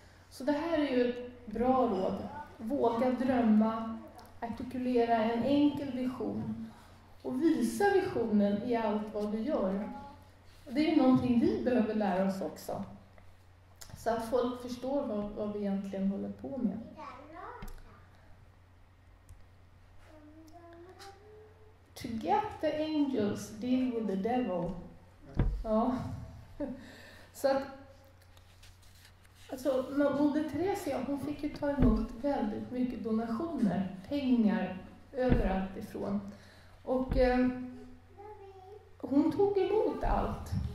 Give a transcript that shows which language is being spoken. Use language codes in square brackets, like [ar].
[sv] Så det här är ju ett bra råd. Våga drömma, artikulera en enkel vision. Och visa visionen i allt vad du gör. Det är ju någonting vi behöver lära oss också. Så att folk förstår vad vi egentligen håller på med. [en] To get the angels, deal with the devil. [sv] Ja. Så att, alltså, Moder Teresa, hon fick ju ta emot väldigt mycket donationer, pengar, överallt ifrån. Och hon tog emot allt.